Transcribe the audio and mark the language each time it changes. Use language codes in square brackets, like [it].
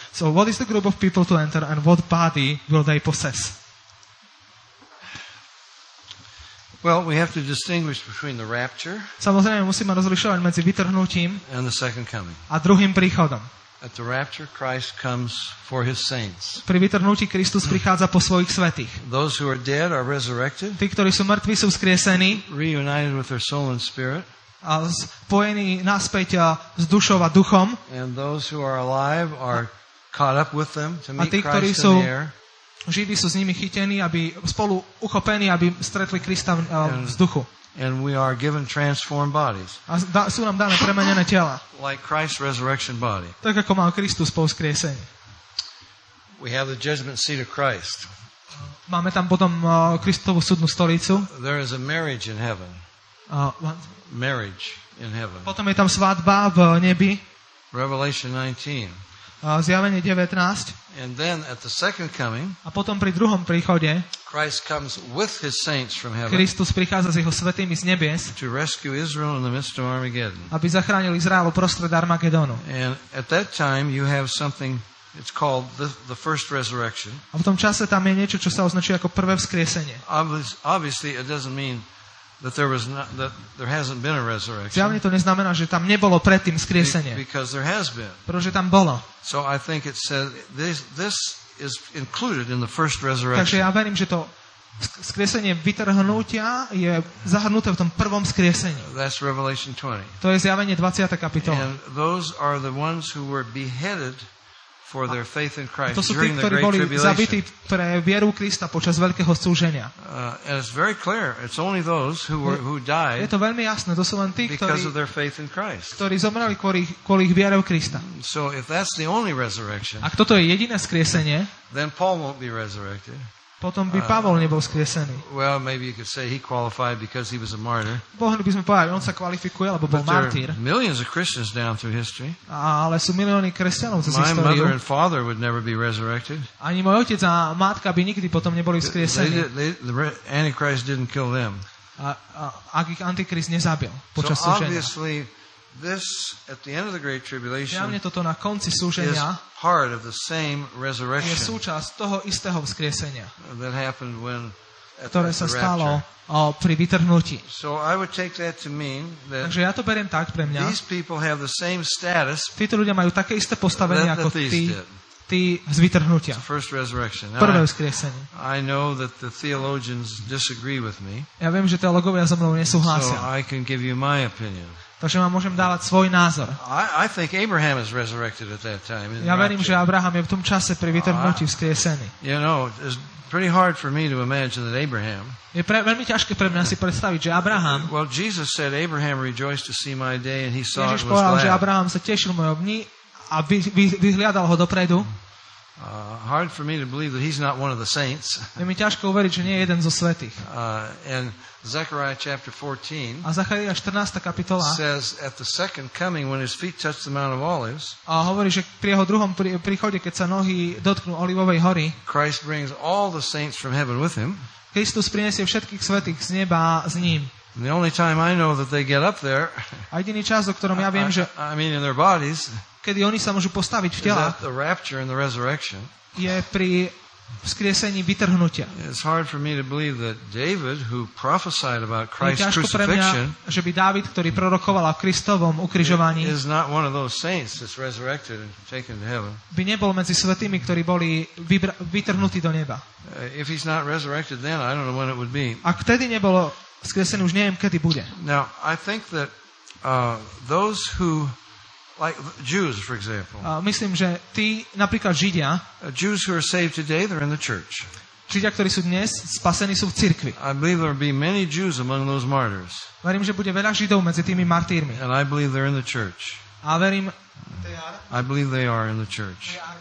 [en] So what is the group of people to enter and what body will they possess? Well, we have to distinguish between the rapture. [sk] Samozrejme musíme rozlišovať medzi vytrhnutím [en] and the second coming. [sk] A druhým príchodom. [en] At the rapture Christ comes for his saints. [sk] Pri vytrhnutí Kristus prichádza po svojich svätých. [en] Those who are dead are resurrected. [sk] Tí, ktorí sú mŕtvi, sú vzkriesení. [en] Reunited with their soul and spirit. [sk] A spojení naspäť s dušou a duchom. [en] And those who are alive are caught up with them to meet Christ in the air. [sk] Živí sú s nimi chytení, aby spolu uchopení, aby stretli Krista v duchu. [en] And we are given transformed bodies. [sk] Sú nám dané premenené tela. [en] Like Christ's resurrection body. [sk] Tak ako mal Kristus po vzkriesení. [en] We have the judgment seat of Christ. [sk] Máme tam potom Kristovu súdnu stolicu. [en] There is a marriage in heaven. Marriage in heaven. [sk] Potom je tam svadba v nebi. [en] Revelation 19. [sk] Zjavenie 19. [en] And then at the second coming, [sk] a potom pri druhom príchode, [en] Christ comes with his saints from heaven. [sk] Kristus prichádza s jeho svätými z nebies. [en] To rescue Israel in the midst of Armageddon. [sk] Aby zachránil Izrael uprostred Armagedónu. [en] And at that time you have something, it's called the first resurrection. [sk] A v tom čase tam je niečo, čo sa označuje ako prvé vzkriesenie. [en] Obviously it doesn't mean that there was not, that there hasn't been a resurrection. [sk] Zjavne to neznamená, že tam nebolo predtým skriesenie. [en] Because there has been. [sk] Pretože tam bolo. [en] So I think it says this is included in the first resurrection. [sk] Takže ja verím, že to skriesenie vytrhnutia je zahrnuté v tom prvom skriesení. [en] That's Revelation 20. [sk] To je Zjavenie 20. kapitola. [en] And those are the ones who were beheaded for their faith in Christ during the great [sk] tribulation. To sú tí, ktorí boli zabití pre vieru Krista počas veľkého súženia. [en] And it's very clear. It's only those who died. [sk] Je to veľmi jasné, to sú len tí, ktorí zomreli kvôli ich viere v Krista. [en] So if that's the only resurrection. [sk] Ak toto je jediné skriesenie, [en] then Paul won't be resurrected. [sk] Potom by Pavol nebol skriesený. [en] Well, maybe you could say he qualified because he was a martyr. [sk] Mohli by sme povedať, on sa kvalifikuje, lebo bol martýr. [en] Millions of Christians down through history. [sk] Ale sú milióny kresťanov cez históriu. [en] My mother and father would never be resurrected. [sk] Ani môj otec a matka by nikdy potom neboli skriesení. [en] The Antichrist didn't kill them. [sk] Ak ich Antichrist nezabil počas [en] súženia. So obviously This at the end of the great tribulation. [sk] Reálne toto na konci súženia. [en] Is part of the same resurrection. [sk] Je súčasť toho istého vzkriesenia. [en] That happened when [sk] ktoré sa stalo pri vytrhnutí. [en] So I would take that to mean that. [sk] Takže ja to beriem tak pre mňa. [en] These people have the same status. [sk] Títo ľudia majú také isté postavenie ako ty. Z vytrhnutia. Prvé vzkriesenie. [en] I know that the theologians disagree with me. [sk] Ja viem, že teológovia so mnou nesúhlasia. [en] So I can give you my opinion. [sk] Takže vám môžem dávať svoj názor. [en] I think Abraham is resurrected at that time. [sk] Ja verím, že Abraham je v tom čase pri vytrhnutí vzkriesený. [en] You know, it's pretty hard for me to imagine that Abraham. [sk] Je veľmi ťažké pre mňa si predstaviť, že Abraham. [en] Well, Jesus said Abraham rejoiced to see my day and he saw it was [sk] glad. Ježiš povedal, že Abraham sa tešil mojho dni a vyhliadal ho dopredu. [en] Hard for me to believe that he's not one of the saints. [sk] Je mi ťažko uveriť, že nie je jeden zo svätých. [en] And Zechariah chapter 14. [sk] A Zachariáš 14. kapitola. [en] Says at the second coming when his feet touch the Mount of Olives. [sk] A hovorí, že pri jeho druhom príchode, keď sa nohy dotknú Olivovej hory. [en] Christ brings all the saints from heaven with him. [sk] Kristus prinesie všetkých svätých z neba s ním. [en] The only time I know that they get up there. [sk] A jediný čas, o ktorom ja viem, že [en] I mean in their bodies. [sk] Kedy oni sa môžu postaviť v tela, [en] the rapture and the resurrection. [sk] Je pri vzkriesení vytrhnutia. [en] It's hard for me to believe that David, who prophesied about Christ's crucifixion, [sk] že by David, ktorý prorokoval o Kristovom ukrižovaní, [en] is not one of those saints that's resurrected and taken to heaven. [sk] By nebol medzi svätými, ktorí boli vytrhnutí do neba. [en] If he's not resurrected then, I don't know when it would be. [sk] Ak vtedy nebol vzkriesený, už neviem kedy bude. [en] Now, I think that those who like Jews for example. [sk] Myslím, že tí napríklad Židia. [en] Jews who are saved today, they're in the church. [sk] Židia, ktorí sú dnes spasení, sú v cirkvi. [en] I believe there will be many Jews among those martyrs. [sk] Verím, že bude veľa Židov medzi tými martýrmi. [en] And I believe they're in the church. [sk] A verím, [en] I believe they are in the church.